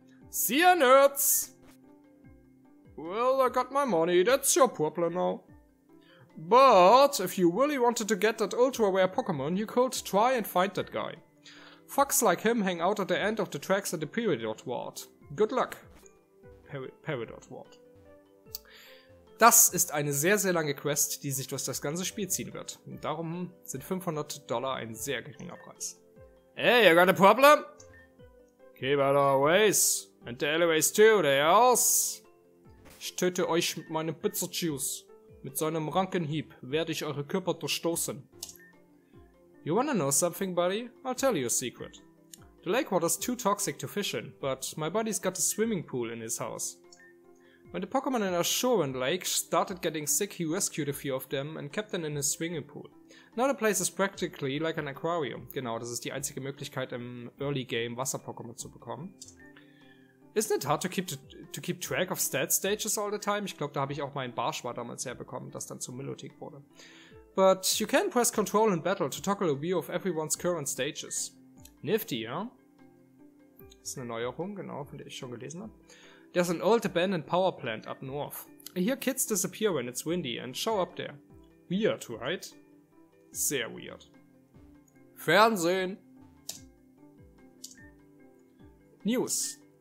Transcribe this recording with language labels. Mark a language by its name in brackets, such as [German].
[English] See ya, nerds! Well, I got my money. That's your problem now. But if you really wanted to get that ultra-rare Pokémon, you could try and find that guy. Fucks like him hang out at the end of the tracks at the Peridot Ward. Good luck. Peridot Ward. [German] Das ist eine sehr, sehr lange Quest, die sich durch das ganze Spiel ziehen wird. Und darum sind $500 ein sehr geringer Preis. [English] Hey, you got a problem? Keep out our ways. And the alleyways too, they are. [German] Ich töte euch mit meinem Pizzajuice. Mit seinem Rankenhieb werde ich eure Körper durchstoßen. [English] You wanna know something, buddy? I'll tell you a secret. The lake water's too toxic to fish in, but my buddy's got a swimming pool in his house. When the Pokémon in Ashoran Lake started getting sick, he rescued a few of them and kept them in his swimming pool. Now the place is practically like an aquarium. [German] Genau, das ist die einzige Möglichkeit im Early Game Wasser-Pokémon zu bekommen. [English] Isn't it hard to keep track of stat stages all the time? [German] Ich glaube, da habe ich auch meinen Barschwar damals herbekommen, das dann zu Milotic wurde. [English] But you can press Control in battle to toggle a view of everyone's current stages. Nifty, ja? [German] Das ist eine Neuerung, genau, von der ich schon gelesen habe. [English] There's an old abandoned power plant up north. I hear kids disappear when it's windy and show up there. Weird, right? [German] Sehr weird. Fernsehen! [English] News.